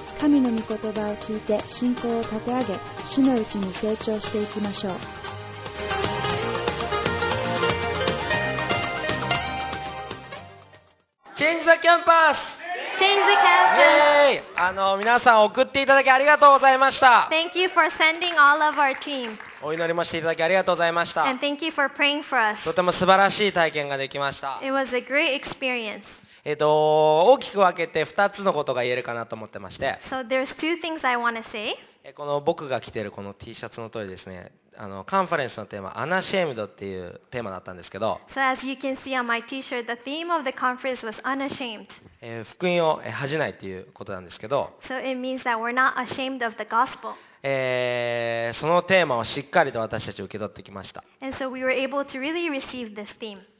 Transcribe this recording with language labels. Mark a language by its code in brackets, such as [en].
[ja] 神の御言葉を聞いて信仰を立て上げ、主のうちに成長していきましょう。 [en] チェンジザキャンパス。チェンジザキャンパス。 [ja] 皆さん送っていただきありがとうございました。 [en] Thank you for sending all of our team. [ja] お祈りもしていただきありがとうございました。 [en] And thank you for praying for us. [ja] とても素晴らしい体験ができました。 [en] It was a great experience. [ja] 大きく分けて2つのことが言えるかなと思ってまして、 [en] So there's two things I want to say. [ja] この僕が着ているこの T シャツの通りですね、カンファレンスのテーマ、アナシェームドっていうテーマだったんですけど、 [en] So as you can see on my T-shirt, the theme of the conference was unashamed. [ja] 福音を恥じないということなんですけど、 [en] So it means that we're not ashamed of the gospel. [ja] そのテーマをしっかりと私たち受け取ってきました。 [en] And so we were able to really receive this theme.